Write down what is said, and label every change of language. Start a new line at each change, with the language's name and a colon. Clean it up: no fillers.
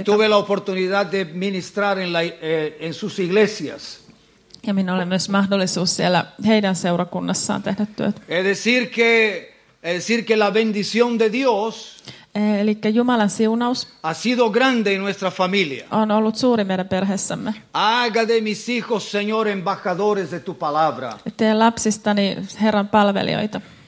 Spanish: Y tuve la oportunidad de ministrar en, en sus iglesias.
Finnish: Ja minulla oli myös mahdollisuus siellä heidän seurakunnassaan tehdä työt.
Spanish: Es decir que la bendición de Dios
Finnish: eli Jumalan siunaus
Spanish: ha sido grande en nuestra familia.
Finnish: On ollut suuri meidän perheessämme.
Spanish: Haga de mis hijos, Señor, embajadores de tu palabra.
Finnish: Tee lapsistani Herran palvelijoita.